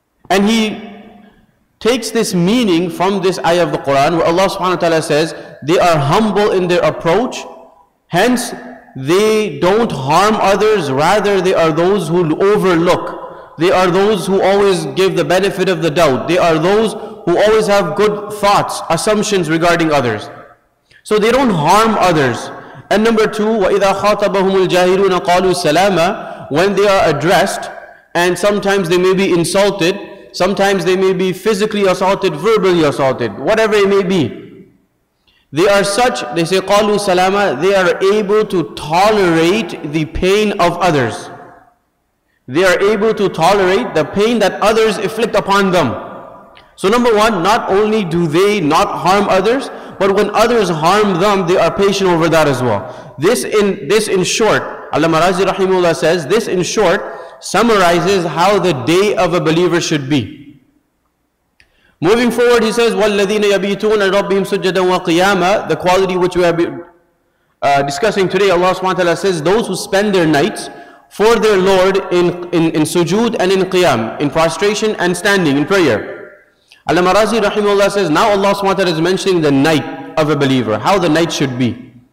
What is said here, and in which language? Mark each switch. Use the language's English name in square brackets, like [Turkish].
[English] And he takes this meaning from this ayah of the Quran, where Allah subhanahu wa ta'ala says they are humble in their approach, hence they don't harm others, rather they are those who overlook, they are those who always give the benefit of the doubt, they are those who always have good thoughts, assumptions regarding others. So they don't harm others. And number two, [Arabic] وَإِذَا خَاطَبَهُمُ الْجَاهِلُونَ قَالُوا سَلَامًا. [English] When they are addressed, and sometimes they may be insulted, sometimes they may be physically assaulted, verbally assaulted, whatever it may be, they are such, they say [Arabic] قَالُوا سَلَامًا, [English] they are able to tolerate the pain of others. They are able to tolerate the pain that others inflict upon them. So number one, not only do they not harm others, but when others harm them, they are patient over that as well. This in short, Allama Razi rahimahullah says, this in short summarizes how the day of a believer should be. Moving forward, he says, [Arabic] وَالَّذِينَ يَبِيتُونَ رَبِّهِمْ سُجَّدًا وَقِيَامًا. [English] The quality which we have been discussing today, Allah subhanahu wa ta'ala says, those who spend their nights for their Lord in sujood and in qiyam, in prostration and standing, in prayer. Allama Razi rahimahullah says, now Allah subhanahu wa ta'ala is mentioning the night of a believer, how the night should be.